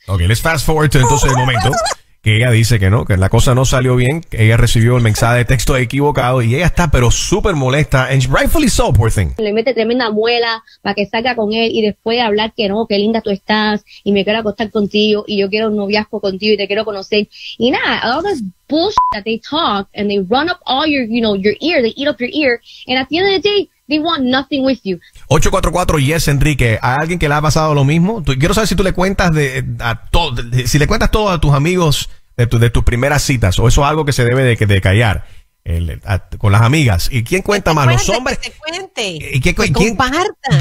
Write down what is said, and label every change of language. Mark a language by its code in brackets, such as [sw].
[en] Okay, let's fast forward to [es] entonces el momento que ella dice que no, que la cosa no salió bien, que ella recibió el mensaje de texto equivocado y ella está pero súper molesta, [en] and rightfully so, poor thing. [es] Le mete tremenda muela para que salga con él y después de hablar que no, qué linda tú estás y me quiero acostar contigo y yo quiero un noviazgo contigo y te quiero conocer. Y nada, [en] all this bullshit that they talk and they run up all your, you know, your ear, they eat up your ear, and at the end of the day, They want nothing with you. [es] 844 yes Enrique, ¿a alguien que le ha pasado lo mismo? Quiero saber si tú le cuentas de a todo, si le cuentas todo a tus amigos de tus primeras citas, o eso es algo que se debe de callar. Con las amigas. ¿Y quién cuenta más? ¿Los hombres? Que compartan.